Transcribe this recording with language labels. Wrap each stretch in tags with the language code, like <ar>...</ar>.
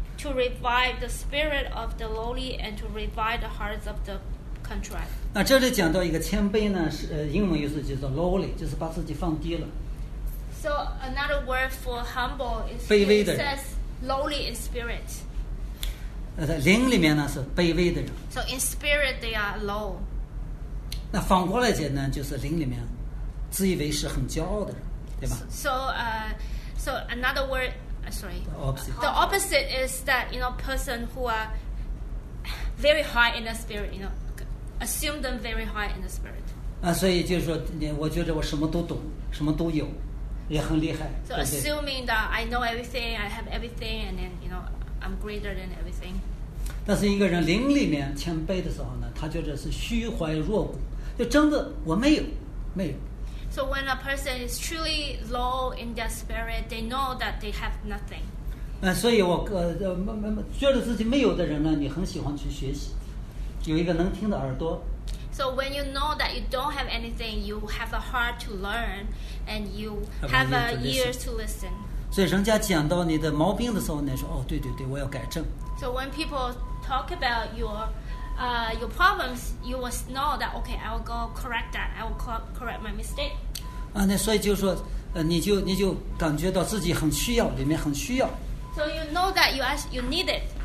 <en>To revive the spirit of the lowly and to revive the hearts of the contrite.</en> <zh>那这里讲到一个谦卑呢，是英文意思叫做 lowly， 就是把自己放低了。</zh> <en>So another word for humble is</en> <zh>卑微的人。</zh> <en>Says lowly in spirit.</en> <zh>在灵里面呢是卑微的人。</zh> <en>So in spirit they are low.</en> <zh>那反过来讲呢，就是灵里面自以为是、很骄傲的人，对吧</zh> <en>？So another word. The opposite is that you know person who are very high in the spirit, you know, assume them very high in the spirit.</en> <zh>啊，所以就是说，我觉得我什么都懂，什么都有，也很厉害。</zh> <en>So assuming that I know everything, I have everything, and then you know I'm greater than everything.</en> <zh>但是一个人灵里面谦卑的时候呢，他觉得是虚怀若谷，就真的我没有。</zh> <en>So when a person is truly low in their spirit, they know that they have nothing.</en> <zh>所以我觉得自己没有的人呢，你很喜欢去学习，有一个能听的耳朵。</zh> <en>So when you know that you don't have anything, you have a heart to learn, and you have a ear to listen.</en> <zh>所以人家讲到你的毛病的时候，你说哦，对对对，我要改正。</zh> <en>So when people talk about your problems, you will know that okay, I will go correct that. I will correct my mistake.</en> <zh>啊，那所以就说，你就感觉到自己很需要，里面很需要。</zh> <en>So you know that you need it.</en>